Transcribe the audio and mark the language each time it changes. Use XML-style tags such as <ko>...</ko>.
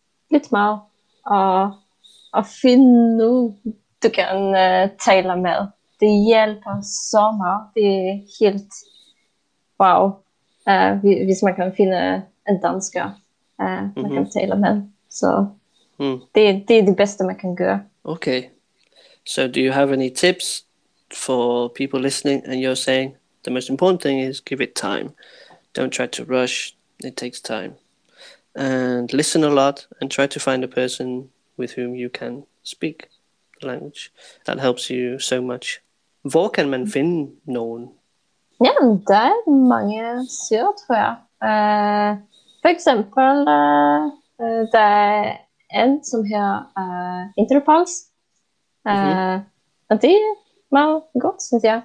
<da>Lidt meget og finde nu, du kan tale med. Det hjælper så meget. Det er helt wow, hvis man kan finde en dansker, man kan tale med. Så det er det bedste, man kan gøre. Okay.</da> <en>So do you have any tips for people listening? And you're saying the most important thing is give it time. Don't try to rush. It takes time. and listen a lot and try to find a person with whom you can speak the language. That helps you so much.</en> <da>Hvor kan man finde nogen? Ja, der er mange sider, tror jeg. For eksempel, der er en, som her er Interpals. Og det er meget godt, synes jeg.</da>